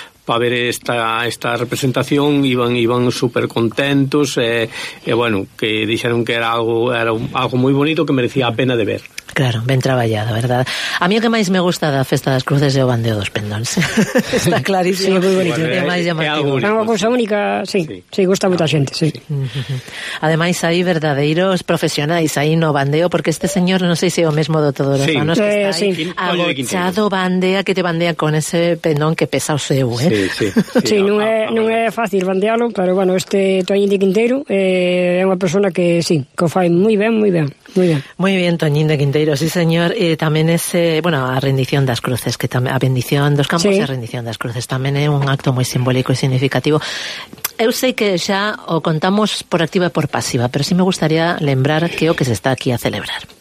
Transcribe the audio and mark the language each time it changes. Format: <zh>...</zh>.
<es>para ver esta representación, iban súper contentos, bueno, que dijeron que era algo muy bonito, que merecía la pena de ver.</es> <gl>Claro, ben traballado, verdad? A mí o que máis me gusta da Festa das Cruces é o bandeo dos pendóns. Está clarísimo. Sí, moi bonito. É máis llamativo. É unha cousa única, sí. Sí, gusta moita xente, sí. Ademais, hai verdadeiros profesionais aí no bandeo, porque este señor, non sei se é o mesmo do todos os anos, que está aí, agochado bandea, que te bandea con ese pendón que pesa o seu, eh? Sí, sí. Sí, non é fácil bandealo, pero, bueno, este Toñín de Quinteiro é unha persona que, sí, que o fai moi ben, moi ben.</gl> <es>Muy bien, Toñín de Quinteiro, sí señor. También es, bueno,</es> <gl>a rendición das cruces,</gl> <es>que también,</es> <gl>a bendición dos campos,</gl> <es>sí.</es> <gl>A rendición das cruces,</gl> <es>también es un acto muy simbólico y significativo.</es> <gl>Eu sei que xa o contamos por activa e por pasiva, pero sí me gustaría lembrar que o que se está aquí a celebrar.</gl>